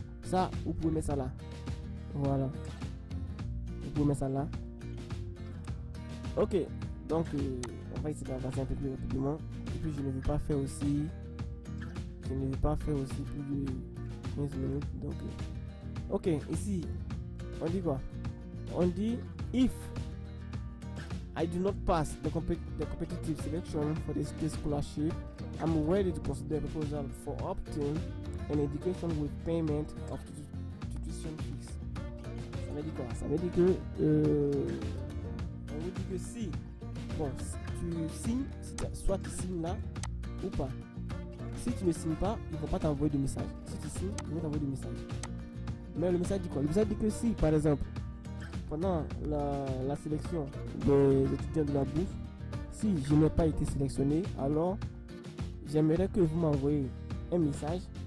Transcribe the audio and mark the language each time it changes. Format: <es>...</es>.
<fr>Ça, vous pouvez mettre ça là, voilà. Vous mettez ça là, ok. Donc on va essayer d'avancer un peu plus rapidement. Et puis je ne veux pas faire aussi plus de 15 minutes. Donc, ok. Ici, on dit quoi? On dit</fr> <en>if I do not pass the competitive selection for this state scholarship, I'm ready to consider a proposal for opting an education with payment of tuition fees.</en> <fr>Ça veut dire quoi? Ça veut dire que on vous dit que si, bon, si tu signes là ou pas. Si tu ne signes pas, ils vont pas t'envoyer de message. Si tu signes, ils vont t'envoyer de message. Mais le message dit quoi? Le message dit que si, par exemple, pendant la sélection des étudiants de la bourse, si je n'ai pas été sélectionné, alors j'aimerais que vous m'envoyez un message.</fr>